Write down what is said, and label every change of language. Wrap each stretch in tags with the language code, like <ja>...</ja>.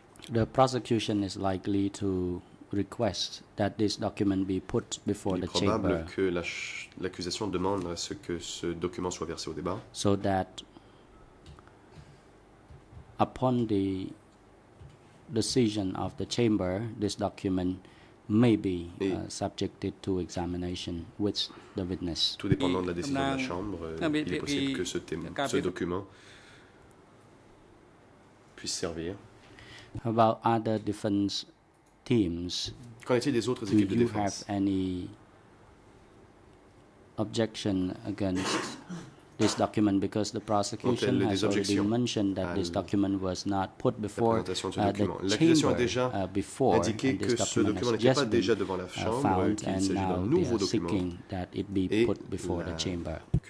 <en>The prosecution is likely to request that this document be put before the chamber.</en> <fr>Il est probable que l'accusation demande à ce que ce document soit versé au débat.</fr> <en>So that upon the decision of the chamber, this document may be subjected to examination with the witness.</en> <fr>Tout dépendant de la décision de la Chambre, il est possible que ce document puisse servir.</fr> <en>About other defense teams,</en> <fr>qu'en est-il des autres équipes de défense?</fr> <en>Do you have any objection against this document? Because the prosecution has already mentioned that this document was not put before the chamber before, and this document has just been found, and now they are seeking that it be put before the chamber.</en>